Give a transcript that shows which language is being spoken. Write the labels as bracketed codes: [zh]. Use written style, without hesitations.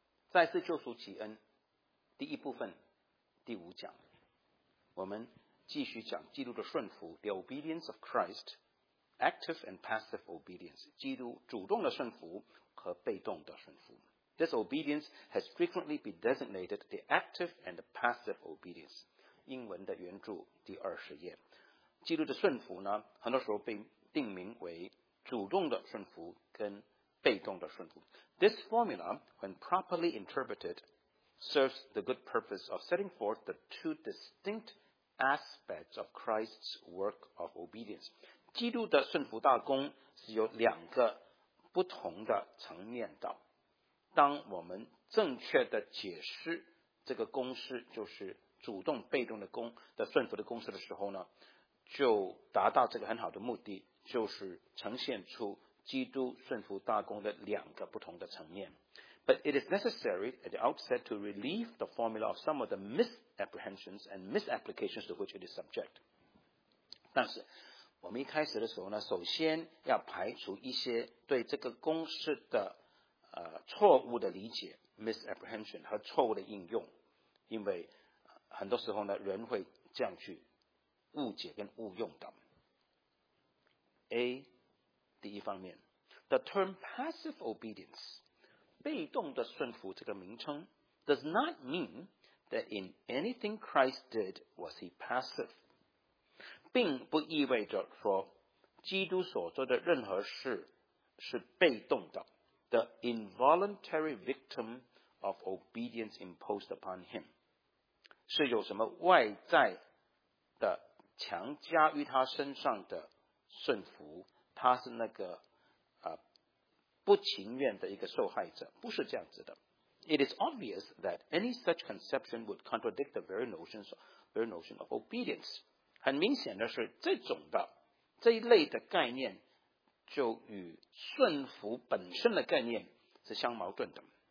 [zh] 再次救赎启恩第一部分第五讲，我们继续讲基督的顺服， [en] The Obedience of Christ, Active and Passive Obedience, [zh] 基督主动的顺服和被动的顺服。 [en] This obedience has frequently been designated the active and the passive obedience. [zh] 英文的原著第二十页，基督的顺服呢，很多时候被定名为主动的顺服跟被动的顺服。 [en] This formula, when properly interpreted, serves the good purpose of setting forth the two distinct aspects of Christ's work of obedience. [zh] 基督的顺服大功是有两个不同的层面的。当我们正确的解释这个公式，就是主动被动的功的顺服的公式的时候呢，就达到这个很好的目的，就是呈现出基督顺服大功的两个不同的层面。 [en] But it is necessary at the outset to relieve the formula of some of the misapprehensions and misapplications to which it is subject. [zh] 但是我们一开始的时候呢，首先要排除一些对这个公式的错误的理解 misapprehension 和错误的应用，因为很多时候呢，人会这样去误解跟误用的。 [en] A, [zh] 第一方面， [en] The term passive obedience, [zh] 被动的顺服这个名称， [en] does not mean that in anything Christ did was he passive. [zh] 并不意味着说基督所做的任何事是被动的， [en] The involuntary victim of obedience imposed upon him. [zh] 是有什么外在的强加于他身上的顺服，他是那个不情愿的一个受害者，不是这样子的。 [en] It is obvious that any such conception would contradict the very notion of obedience. [zh] 很明显的是这种的这一类的概念就与顺服本身的概念是相矛盾的。